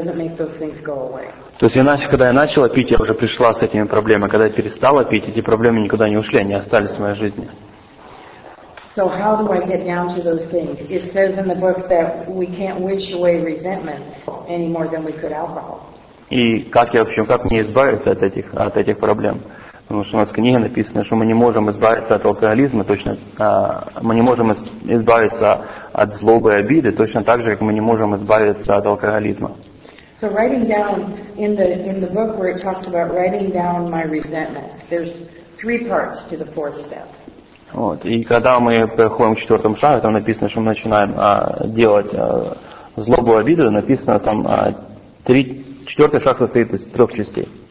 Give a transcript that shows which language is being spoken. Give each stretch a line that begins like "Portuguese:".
Russian: То есть когда я начала пить, я уже пришла с этими проблемами. Когда я перестала пить, эти проблемы никуда не ушли, они остались в моей жизни.
English: So how do I get down to those things? It says in the book that we can't wish away resentment any more than we could alcohol.
Russian: И как я, в общем, как мне избавиться от этих проблем? Потому что у нас в книге написано, что мы не можем избавиться от алкоголизма, точно, мы не можем избавиться от злобы и обиды, точно так же, как мы не можем избавиться от алкоголизма.
English: So writing down in the book where it talks about writing down my resentment, there's three parts to the fourth step.
Russian: Вот. И когда мы приходим к четвертому шагу, там написано, что мы начинаем делать злобу и обиду, написано там четвертый шаг состоит из трех частей.